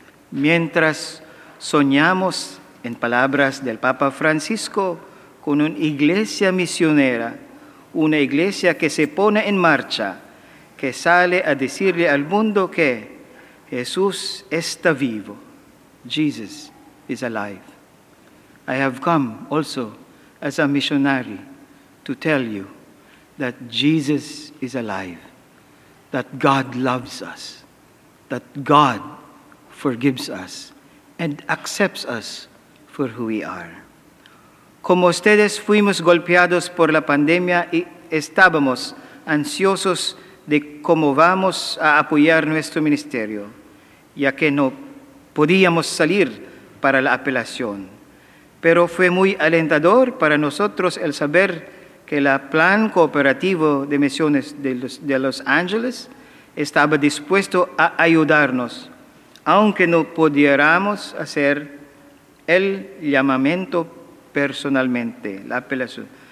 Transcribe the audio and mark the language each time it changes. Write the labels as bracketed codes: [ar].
[es] Mientras soñamos, en palabras del Papa Francisco, con una iglesia misionera, una iglesia que se pone en marcha, que sale a decirle al mundo que Jesús está vivo. [en] Jesus is alive. I have come also as a missionary to tell you that Jesus is alive, that God loves us, that God forgives us and accepts us for who we are. [es] Como ustedes fuimos golpeados por la pandemia y estábamos ansiosos de cómo vamos a apoyar nuestro ministerio, ya que no podíamos salir para la apelación. Pero fue muy alentador para nosotros el saber que el plan cooperativo de misiones de Los Ángeles estaba dispuesto a ayudarnos, aunque no pudiéramos hacer el llamamiento personalmente, la apelación.